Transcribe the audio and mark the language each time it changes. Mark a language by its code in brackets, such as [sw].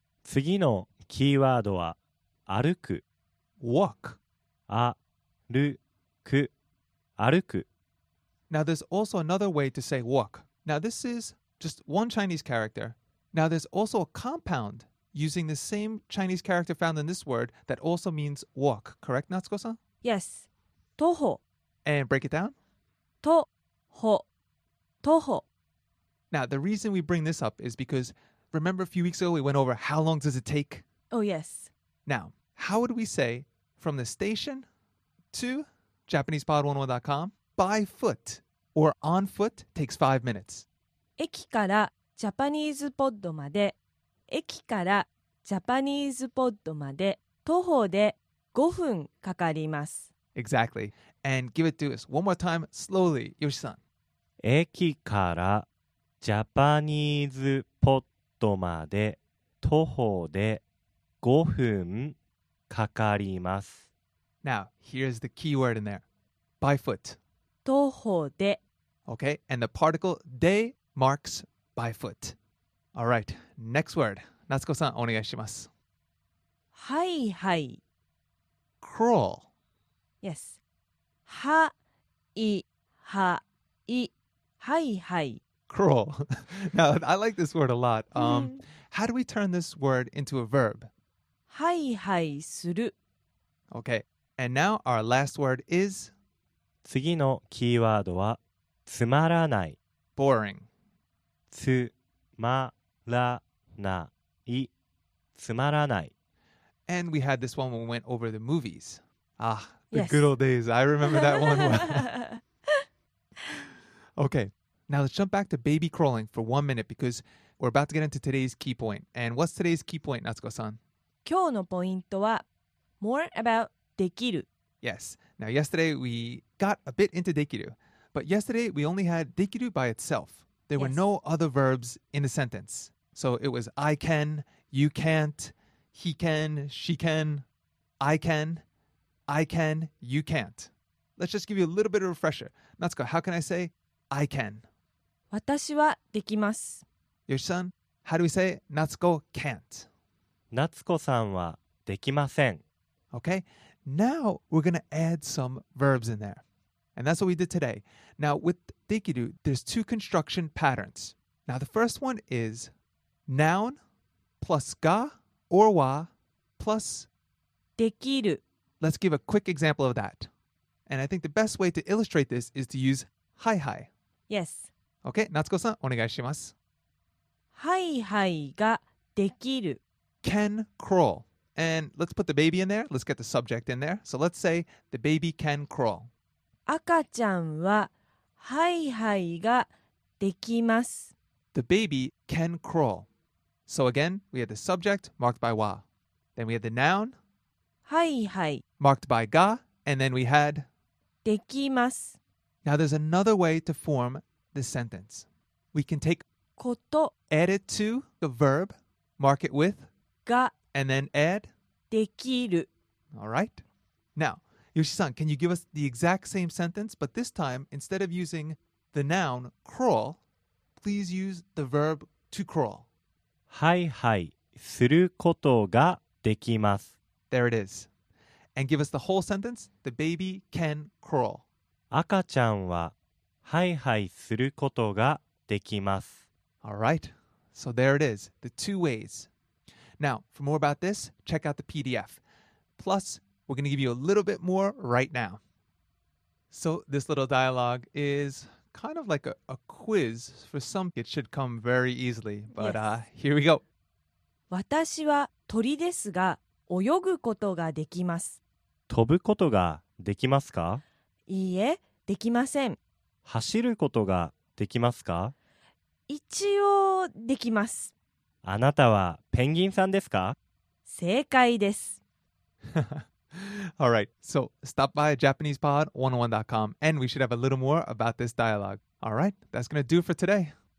[ja] 次のキーワードは歩く。 [en] Walk. [ja] 歩く。歩く。 [en] Now, there's also another way to say walk. Now, this is just one Chinese character. Now, there's also a compound using the same Chinese character found in this word that also means walk. Correct, Natsuko-san? [ja] Yes. 徒歩. [en] And break it down. [ja] 徒歩.徒歩. [en] Now, the reason we bring this up is because, remember a few weeks ago we went over how long does it take? Oh, yes. Now, how would we say from the station to JapanesePod101.com, by foot or on foot takes 5 minutes? [ja] 駅からジャパニーズポッドまで駅からジャパニーズポッドまで徒歩で5分かかります。 [en] Exactly. And give it to us one more time slowly, Yoshi-san. [ja] 駅からジャパニーズポッドまで徒歩で5分かかります。 [en] Now, here's the key word in there. By foot. [ja] 徒歩で。 [en] Okay, and the particle で marks by foot. All right, next word. [ja] Natsuko-san, お願いします。はいはい。 [en] Crawl. [ja] Yes. はいはい。はいはい。 [en] Crawl. Now, I like this word a lot. How do we turn this word into a verb? [ja] はいはいする。 [en] Okay. And now our last word is? [ja] 次のキーワードはつまらない。 [en] Boring. [ja] つまらない。つまらない。 [en] And we had this one when we went over the movies. Ah, the good old days. I remember that one well. Okay. Now let's jump back to baby crawling for 1 minute because we're about to get into today's key point. And what's today's key point, Natsuko-san? [ja] 今日のポイントは [en] more about [ja] できる. [en] Yes. Now yesterday we got a bit into できる. But yesterday we only had できる by itself. There were no other verbs in the sentence. So it was I can, you can't, he can, she can, I can, you can't. Let's just give you a little bit of a refresher. Natsuko, how can I say I can? [ja] 私はできます。 [en] Yoshi-san, how do we say Natsuko can't? [ja] Natsuko さんはできません。 [en] Okay, now we're going to add some verbs in there. And that's what we did today. Now, with できる, there's two construction patterns. Now, the first one is noun plus がOr wa plus [ja] できる. [en] Let's give a quick example of that. And I think the best way to illustrate this is to use はいはい. Yes. [ja] Okay, Natsuko-san, お願いします。はいはいができる. [en] Can crawl. And let's put the baby in there. Let's get the subject in there. So let's say the baby can crawl. [ja] 赤ちゃんははいはいができます。 [en] The baby can crawl. So again, we have the subject marked by wa. Then we have the noun. [ja] はいはい。 [en] Marked by が.And then we had. [ja] できます. [en] Now there's another way to form the sentence. We can take. [ja] こと. [en] Add it to the verb. Mark it with. [ja] が. [en] And then add. [ja] できる. [en] All right. Now, Yoshi-san, can you give us the exact same sentence? But this time, instead of using the noun crawl, please use the verb to crawl. [ja] はいはい、することができます。 [en] There it is. And give us the whole sentence. The baby can crawl. [ja] 赤ちゃんははいはいすることができます。 [en] All right. So there it is. The two ways. Now, for more about this, check out the PDF. Plus, we're going to give you a little bit more right now. So this little dialogue is... Kind of like a quiz for some, it should come very easily. But here we go. [ja] 私は鳥ですが、泳ぐことができます。飛ぶことができますか？いいえ、できません。走ることができますか？一応できます。あなたはペンギンさんですか？正解です。 [en] All right, so stop by JapanesePod101.com and we should have a little more about this dialogue. All right, that's going to do it for today.